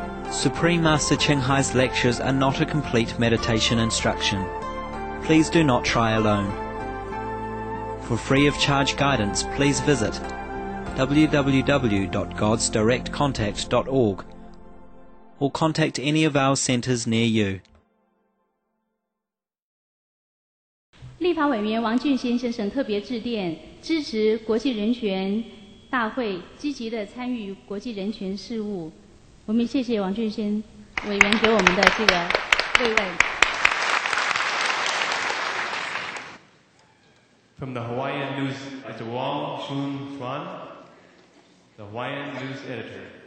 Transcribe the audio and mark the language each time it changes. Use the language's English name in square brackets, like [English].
[English] Supreme Master Cheng Hai's lectures are not a complete meditation instruction. Please do not try alone. For free of charge guidance, please visit www.godsdirectcontact.org or contact any of our centres near you. [Chinese] 立法委员王俊先先生特别致电，支持国际人权大会，积极地参与国际人权事务。我们谢谢王俊先委员给我们的这个慰问。 [English] From the Hawaiian News, it's Wong Chun Chuan, the Hawaiian News Editor.